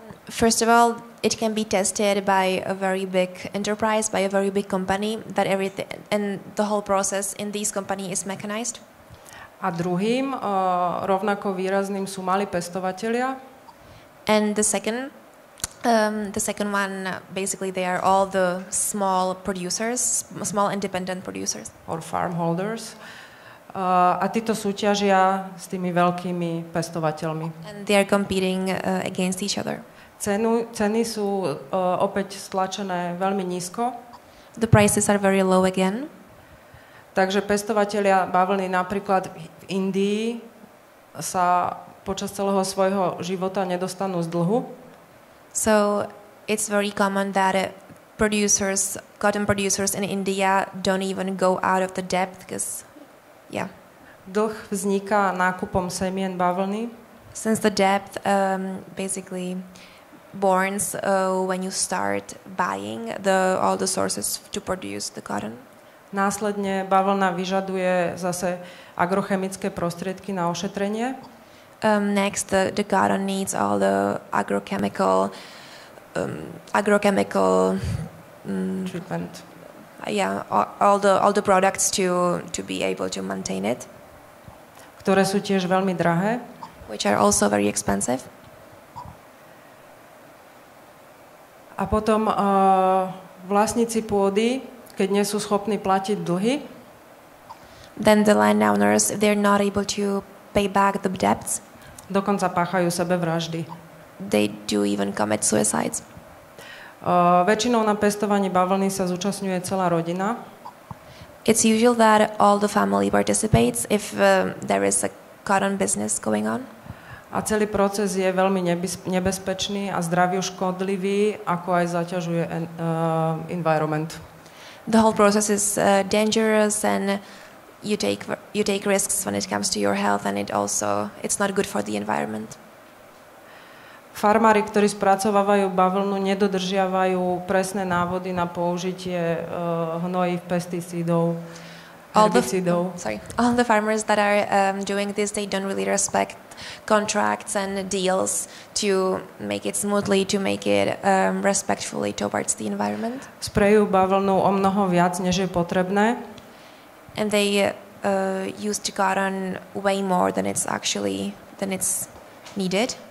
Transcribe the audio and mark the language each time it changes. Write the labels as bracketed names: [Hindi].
[English] First of all, it can be tested by a very big enterprise, by a very big company, that everything and the whole process in these companies is mechanized. [Slovak] A druhým, rovnako výrazným, sú malí pestovatelia. [English] And the second one, basically they are all the small producers, small independent producers. Or farm holders. [Slovak] A títo súťažia s tými veľkými pestovateľmi. [English] And they are competing against each other. [Slovak] Ceny sú opäť stlačené veľmi nízko. [English] The prices are very low again. [Slovak] Takže pestovatelia bavlny napríklad v Indii sa počas celého svojho života nedostanú z dlhu. [English] So it's very common that producers, cotton producers in India don't even go out of the debt because [Slovak] Dlh vzniká nákupom semien bavlny. [English] Since the debt basically borns when you start buying all the sources to produce the cotton. [Slovak] Následne bavlna vyžaduje zase agrochemické prostriedky na ošetrenie. [English] Next the cotton needs all the agrochemical treatment. All the products to be able to maintain it. [Slovak] Ktoré sú tiež veľmi drahé. [English] Which are also very expensive. [Slovak] A potom vlastníci pôdy, keď nie sú schopní platiť dlhy. [English] Then the landowners, if they're not able to pay back the debts. [Slovak] Dokonca páchajú sebevraždy. [English] They do even commit suicides. [Slovak] Väčšinou na pestovanie bavlny sa zúčastňuje celá rodina. [English] It's usual that all the family participates if there is a cotton business going on. [Slovak] A celý proces je veľmi nebezpečný a zdraviu škodlivý, ako aj zaťažuje environment. [English] the whole process is dangerous, and you take risks when it comes to your health, and it's not good for the environment. [Slovak] Farmári, ktorí spracovávajú bavlnu, nedodržiavajú presné návody na použitie hnojív, pesticídov, herbicídov. [English] All the farmers that are doing this, they don't really respect contracts and deals to make it smoothly, to make it respectfully towards the environment. [Slovak] Sprejujú bavlnu o mnoho viac, než je potrebné. [English] And they use cotton way more than it's needed.